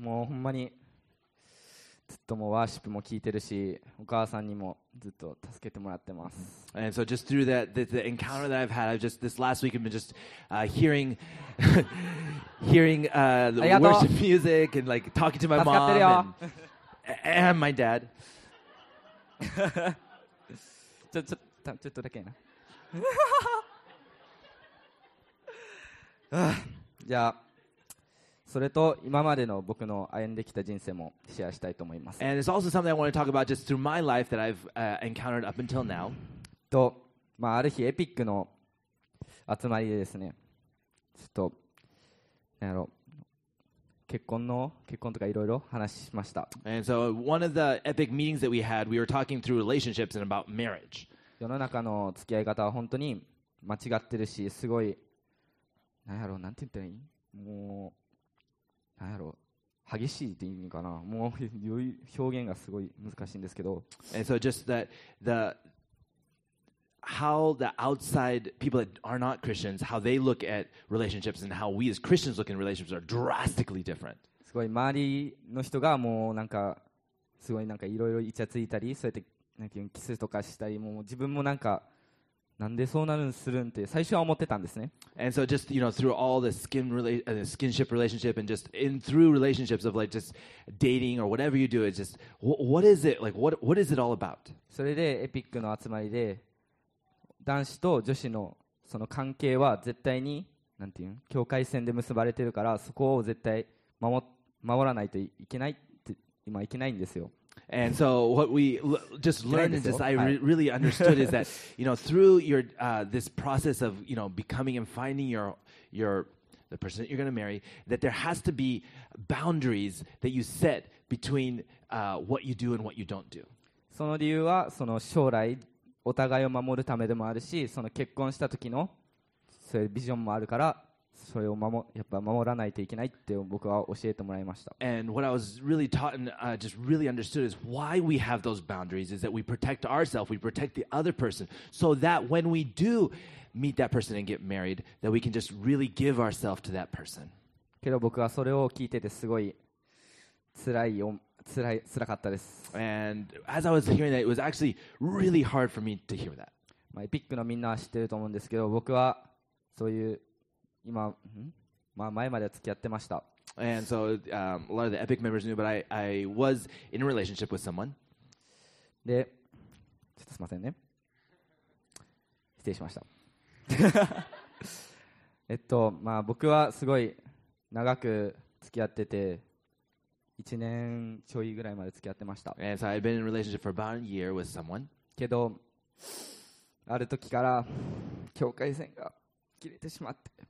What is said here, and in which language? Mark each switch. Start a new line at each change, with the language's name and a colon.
Japanese: もうほんまにずっともうワーシップも聞いてるし、お母さんにもずっと助けてもらってます。
English: And so just through that, the encounter that I've had, I've just this last week I've been just hearing, hearing the worship music and like talking to my mom and my dad.
Japanese: ちょっとだけな。じゃあそれと今までの僕の歩んできた人生もシェアしたいと思います。
English: And it's also something I want to talk about just through my life that I've encountered up until now。
Japanese: と、まあある日エピックの集まりでですね、ちょっと何やろ、結婚とかいろいろ話しました。
English: And so one of the epic meetings that we had, we were talking through relationships and about marriage。
Japanese: 世の中の付き合い方は本当に間違ってるし、すごい何やろ、なんて言ったらいい、もう何やろ、激しいっていう意味かな、もう表現がすごい難しいんですけど、
English: and so just that the how the outside people that are not Christians, how they look at relationships and how we as Christians look in relationships are drastically different。
Japanese: すごい周りの人がもうなんかすごいなんかいろいろイチャついたり、そうやってなんかキスとかしたり、もう自分もなんかなんでそうなるんするんって最初は思ってたんですね。
English: And so just you know through all the skinship relationship and just in through relationships of like just dating or whatever you do, it's just what is it like what is it all about?
Japanese: それでエピックの集まりで男子と女子のその関係は絶対になんていうん、境界線で結ばれてるから、そこを絶対守らないといけないって今いけないんですよ。
English: And so what we just learned and just I really understood is that you know through your this process of you know becoming and finding your the person that you're going to marry, that there has to be boundaries that you set between what you do and what you don't do。
Japanese: その理由はその将来お互いを守るためでもあるし、その結婚した時のそういうビジョンもあるから、それをやっぱ守らないといけないって僕は教えてもらいました。
English: And what I was really taught and just really understood is why we have those boundaries is that we protect ourselves, we protect the other person, so that when we do meet that person and get married, that we can just really give ourselves to that person.
Japanese: けど僕はそれを聞いててすごい辛かったです。
English: And as I was hearing that, it was actually really hard for me to hear that.
Japanese: まあ、エピックのみんなは知ってると思うんですけど、僕はそういう今、まあ、前までは付き合ってました。
English: And so, a lot of the Epic members knew, but I was in a relationship with someone.
Japanese: で、ちょっとすみませんね。失礼しました。まあ僕はすごい長く付き合ってて、1年ちょいぐらいまで付き合ってました。
English: And so I've been in a relationship for about a year with someone.
Japanese: けど、ある時から境界線が切れてしまって。